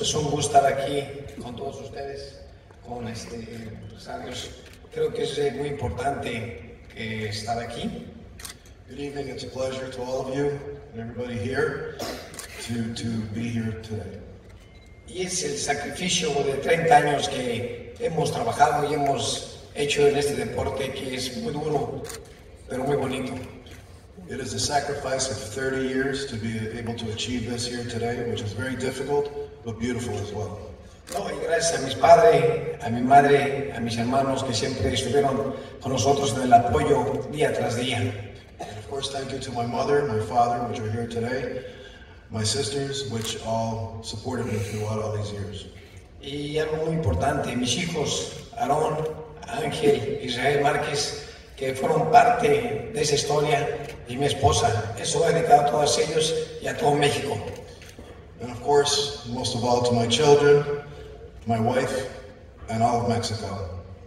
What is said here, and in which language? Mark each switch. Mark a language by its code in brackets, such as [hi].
[es] Es un gusto estar aquí con todos ustedes, con empresarios. Creo que es muy importante que estar aquí. [en] Good evening. It's a pleasure to all of you and everybody here to be here today. [es] Y es el sacrificio de 30 años que hemos trabajado y hemos hecho en este deporte que es muy duro, pero muy bonito. [en] It is a sacrifice of 30 years to be able to achieve this here today, which is very difficult, but beautiful as well. [es] No, y gracias a mis padres, a mi madre, a mis hermanos que siempre estuvieron con nosotros en el apoyo día tras día. [en] And of course, thank you to my mother, my father, which are here today, my sisters, which all supported me throughout all these years. [es] Y algo muy importante, mis hijos, Aaron, Ángel, Israel Márquez, que fueron parte de esa historia, y mi esposa. Eso va dedicado a todos ellos y a todo México. [en] And of course, most of all to my children, my wife, and all of Mexico.